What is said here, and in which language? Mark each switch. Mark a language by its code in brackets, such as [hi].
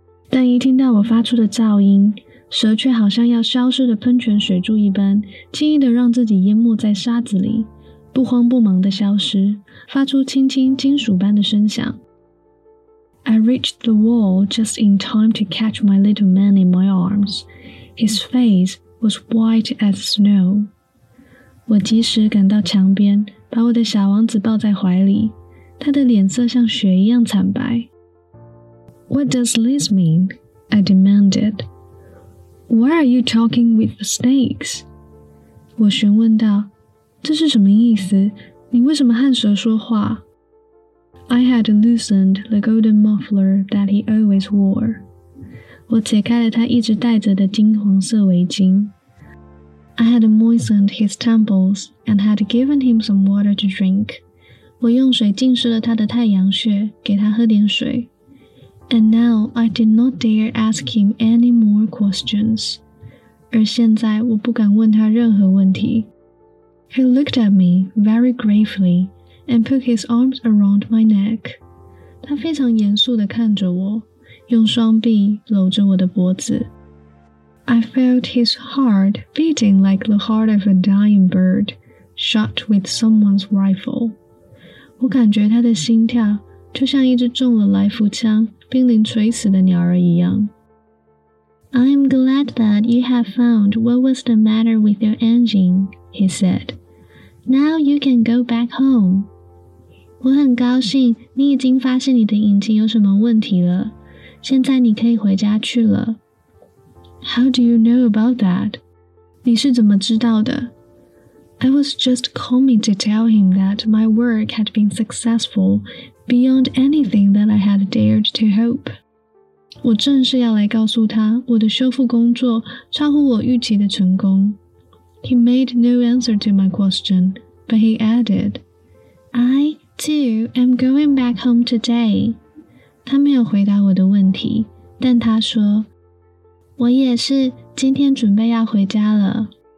[zh] 但一听到我发出的噪音，蛇却好像要消失的喷泉水柱一般，轻易地让自己淹没在沙子里，不慌不忙地消失，发出轻轻金属般的声响。 [en] I reached the wall just in time to catch my little man in my arms. His face was white as snow. [zh] 我及时赶到墙边，把我的小王子抱在怀里，他的脸色像雪一样惨白。 [en] What does this mean? I demanded. Why are you talking with the snakes? [zh] 我询问道，这是什么意思？你为什么和蛇说话？ [en] I had loosened the golden muffler that he always wore. [zh] 我解开了他一直戴着的金黄色围巾。 [en] I had moistened his temples and had given him some water to drink. [zh] 我用水浸湿了他的太阳穴，给他喝点水。 [en] And now I did not dare ask him any more questions. [zh] 而现在我不敢问他任何问题。 [en] He looked at me very gravely and put his arms around my neck. [zh] 他非常严肃地看着我，用双臂搂着我的脖子。 [en] I felt his heart beating like the heart of a dying bird shot with someone's rifle. [zh] 我感觉他的心跳就像一只中了来福枪、濒临垂死的鸟儿一样。 [en] I'm glad that you have found what was the matter with your engine, he said. Now you can go back home. [zh] 我很高兴你已经发现你的引擎有什么问题了。现在你可以回家去了。 [en] How do you know about that? [zh] 你是怎么知道的？ [en] I was just coming to tell him that my work had been successful beyond anything that I had dared to hope. [zh] 我正是要来告诉他我的修复工作超乎我预期的成功。 [en] He made no answer to my question, but he added, I, too, am going back home today. [zh] 他没有回答我的问题，但他说我也是今天准备要回家了。